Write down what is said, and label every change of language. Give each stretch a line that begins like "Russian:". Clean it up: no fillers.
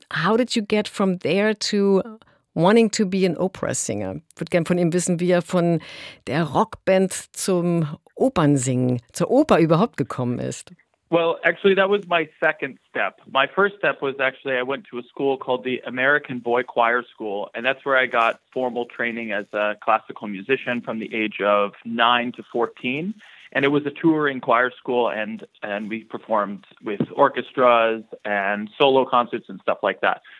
English: How did you get from there to wanting to be an opera singer?
German: Ich würde gerne von ihm wissen, wie er von der Rockband zum Opernsingen, zur Oper überhaupt gekommen ist.
English: Well, actually, that was my second step. My first step was actually I went to a school called the American Boy Choir School, and that's where I got formal training as a classical musician from the age of 9 to 14. And it was a touring choir school, and we performed with orchestras and solo concerts and stuff like that.